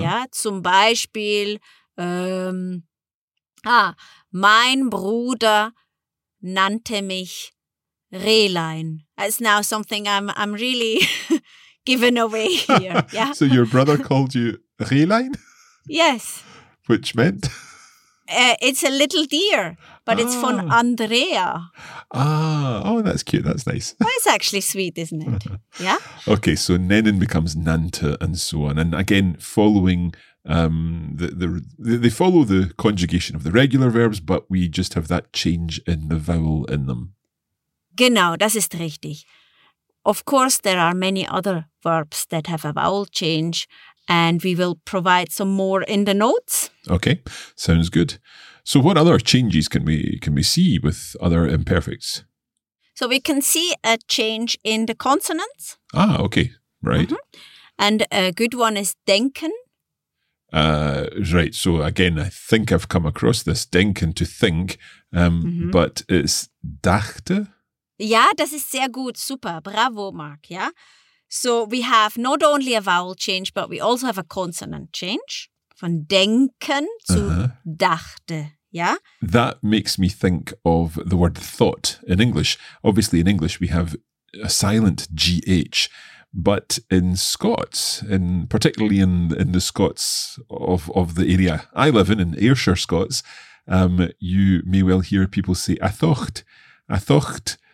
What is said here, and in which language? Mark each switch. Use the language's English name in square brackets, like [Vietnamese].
[German] Ja, zum Beispiel, mein Bruder nannte mich Rehlein. [English] It's now something I'm really giving away here. Yeah. So your brother called you Rehlein? Yes. Which meant? It's a little deer, but it's [German] von [English] Andrea. Ah, oh, that's cute. That's nice. Well, it's actually sweet, isn't it? Yeah. Okay, so nennen becomes nannte and so on. And again, following they follow the conjugation of the regular verbs, but we just have that change in the vowel in them. [German] Genau, das ist richtig. [English] Of course, there are many other verbs that have a vowel change, and we will provide some more in the notes. Okay, sounds good. So what other changes can we see with other imperfects? So we can see a change in the consonants. Ah, okay, right. Mm-hmm. And a good one is denken. Right, so again, I think I've come across this, denken, to think, but it's dachte. [German] Ja, das ist sehr gut, super, bravo, Mark, ja. [English] So we have not only a vowel change, but we also have a consonant change from denken to dachte, yeah? That makes me think of the word thought in English. Obviously, in English, we have a silent GH, but in Scots, particularly in the Scots of the area I live in Ayrshire Scots, you may well hear people say, I thought.